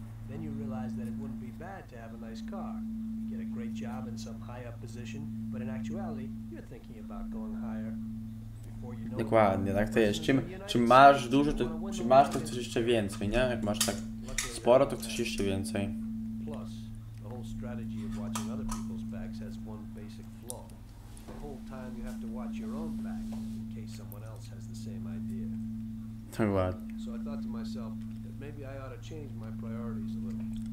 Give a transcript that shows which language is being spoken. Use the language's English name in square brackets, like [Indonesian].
[English] Then you realize that it wouldn't be bad to have a nice car. You get a great job in some high up position, but in actuality, you're thinking about going higher. [Polish] Dokładnie, tak to jest. Czym masz dużo, to chcesz jeszcze więcej, nie? Jak masz tak sporo, to chcesz jeszcze więcej. [English] Plus, the whole strategy of watching other people's backs has one basic flaw. The whole time you have to watch your own back in case someone else has the same idea. So I thought to myself, maybe I ought to change my priorities a little.